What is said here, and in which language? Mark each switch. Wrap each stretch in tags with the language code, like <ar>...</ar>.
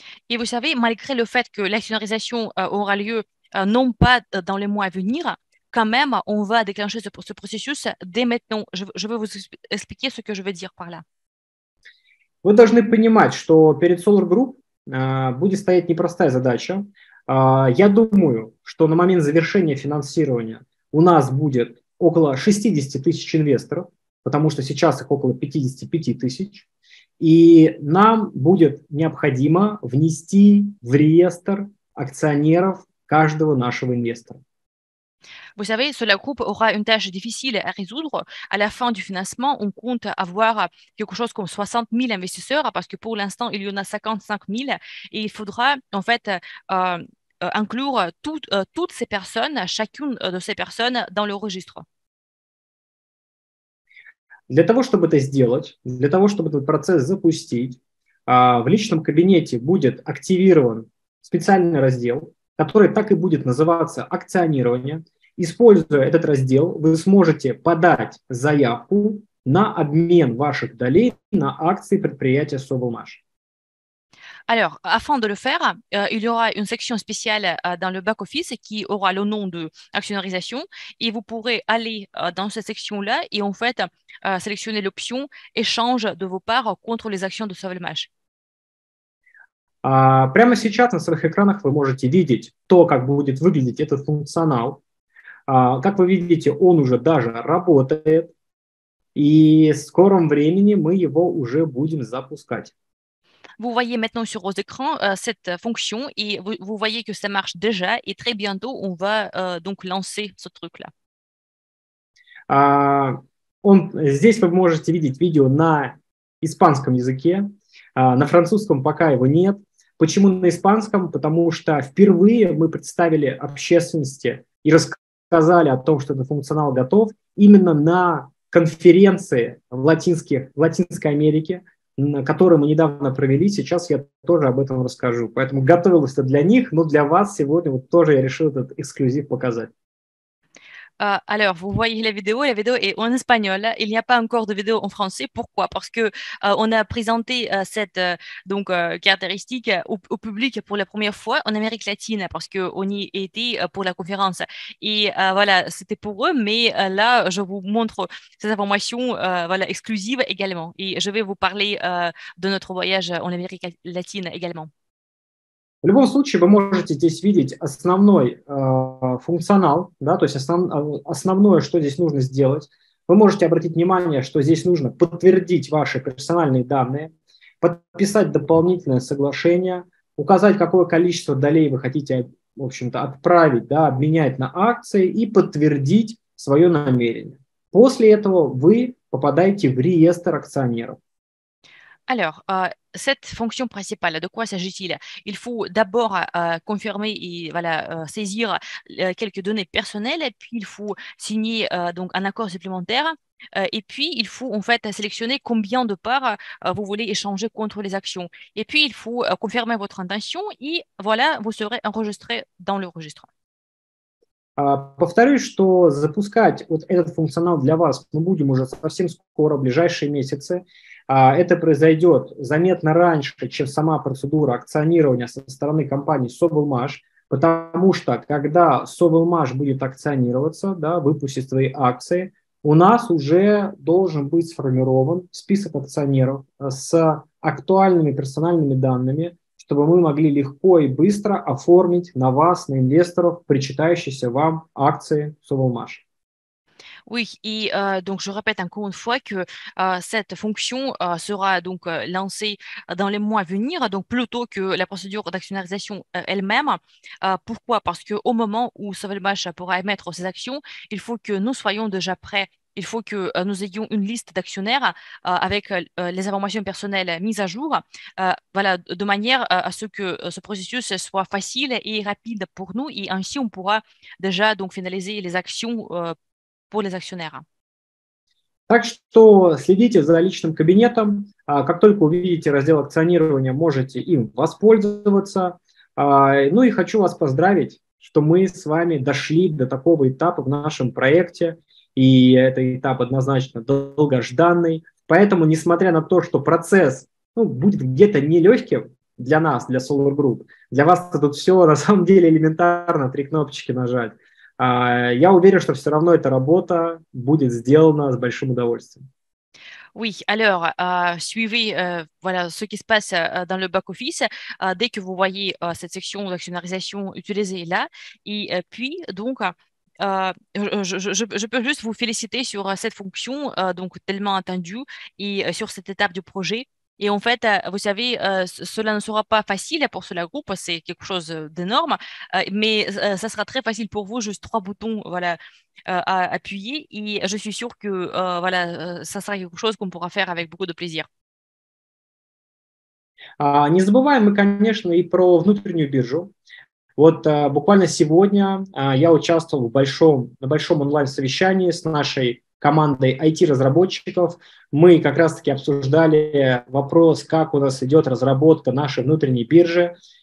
<ru>И вы знаете,</ru> <fr>malgré le fait que l'actionnarisation aura lieu non pas dans les mois à venir, quand même, on va déclencher ce processus dès maintenant. Je vais vous expliquer ce que je veux dire par là.</fr> <ru>Вы должны понимать, что перед Solar Group будет стоять непростая задача. Я думаю, что на момент завершения финансирования у нас будет около 60 тысяч инвесторов, потому что сейчас их около 55 тысяч, и нам будет необходимо внести в реестр акционеров каждого нашего инвестора.</ru> <fr>Vous savez, Solar Group aura une tâche difficile à résoudre. À la fin du financement, on compte avoir quelque chose comme 60 000 investisseurs, parce que pour l'instant, il y en a 55 000, et il faudra en fait inclure toutes ces personnes, chacune de ces personnes dans le registre.</fr> <ru>Для того, чтобы это сделать, для того, чтобы этот процесс запустить, в личном кабинете будет активирован специальный раздел, который так и будет называться «Акционирование». Используя этот раздел, вы сможете подать заявку на обмен ваших долей на акции предприятия «Sovelmash».</ru> <fr>Alors, afin de le faire, il y aura une section spéciale dans le back-office qui aura le nom d'actionnarisation et vous pourrez aller dans cette section-là et en fait sélectionner l'option « Échange de vos parts contre les actions de Sovelmash ».</fr> <ru>Прямо сейчас на своих экранах вы можете видеть то, как будет выглядеть этот функционал. Как вы видите, он уже даже работает и в скором времени мы его уже будем запускать.</ru> <fr>Vous voyez maintenant sur vos écrans cette fonction et vous voyez que ça marche déjà et très bientôt on va donc lancer ce truc-là.</fr> <ru>Здесь вы можете видеть видео на испанском языке, на французском пока его нет. Почему на испанском? Потому что впервые мы представили общественности и рассказали о том, что этот функционал готов именно на конференции в Латинской Америке, которую мы недавно провели, сейчас я тоже об этом расскажу. Поэтому готовилось это для них, но для вас сегодня вот тоже я решил этот эксклюзив показать.</ru> <fr>Alors, vous voyez la vidéo est en espagnol. Il n'y a pas encore de vidéo en français. Pourquoi? Parce qu'on a présenté cette caractéristique au public pour la première fois en Amérique latine, parce qu'on y était pour la conférence. Et voilà, c'était pour eux, mais là, je vous montre ces informations exclusives également. Et je vais vous parler de notre voyage en Amérique latine également.</fr> <ru>В любом случае, вы можете здесь видеть основной функционал, да, то есть основное, что здесь нужно сделать. Вы можете обратить внимание, что здесь нужно подтвердить ваши персональные данные, подписать дополнительное соглашение, указать, какое количество долей вы хотите, в общем-то, отправить, да, обменять на акции и подтвердить свое намерение. После этого вы попадаете в реестр акционеров.</ru> <fr>Alors, cette fonction principale, de quoi s'agit-il? Il faut d'abord confirmer et saisir quelques données personnelles, puis il faut signer donc un accord supplémentaire, et puis il faut en fait sélectionner combien de parts vous voulez échanger contre les actions. Et puis il faut confirmer votre intention, et voilà, vous serez enregistré dans le registre.</fr> <ru>Повторюсь, что запускать вот этот функционал для вас мы будем уже совсем скоро, в ближайшие месяцы. Это произойдет заметно раньше, чем сама процедура акционирования со стороны компании Совелмаш, потому что когда Совелмаш будет акционироваться, да, выпустит свои акции, у нас уже должен быть сформирован список акционеров с актуальными персональными данными, чтобы мы могли легко и быстро оформить на вас, на инвесторов, причитающиеся вам акции Совелмаш.</ru> <fr>Oui, et donc je répète encore une fois que cette fonction sera donc lancée dans les mois à venir, donc plus tôt que la procédure d'actionnarisation elle-même. Pourquoi? Parce qu'au moment où Sauvelmash pourra émettre ses actions, il faut que nous soyons déjà prêts. Il faut que nous ayons une liste d'actionnaires avec les informations personnelles mises à jour, voilà, de manière à ce que ce processus soit facile et rapide pour nous. Et ainsi, on pourra déjà donc finaliser les actions. Pour les actionnaires.</fr> <ru>Так что следите за личным кабинетом. Как только увидите раздел акционирования, можете им воспользоваться. Ну и хочу вас поздравить, что мы с вами дошли до такого этапа в нашем проекте. И это этап однозначно долгожданный. Поэтому, несмотря на то, что процесс, ну, будет где-то нелегким для нас, для Solar Group, для вас тут все на самом деле элементарно, три кнопочки нажать. Я уверен, что все равно эта работа будет сделана с большим удовольствием.</ru> <fr>Oui, alors, suivez voilà, ce qui se passe dans le back-office dès que vous voyez cette section d'actionnarisation utilisée là. Et puis, donc, je peux juste vous féliciter sur cette fonction donc, tellement attendue et sur cette étape du projet. Et en fait, vous savez, cela ne sera pas facile pour ce groupe, c'est quelque chose d'énorme, mais ça sera très facile pour vous, juste trois boutons voilà, à appuyer. Et je suis sûre que voilà, ça sera quelque chose qu'on pourra faire avec beaucoup de plaisir.</fr> <ru>Не забываем мы, конечно, и про внутреннюю биржу. Вот буквально сегодня я участвовал на большом онлайн-совещании с нашей командой IT-разработчиков. Мы как раз-таки обсуждали вопрос, как у нас идет разработка нашей внутренней биржи.</ru>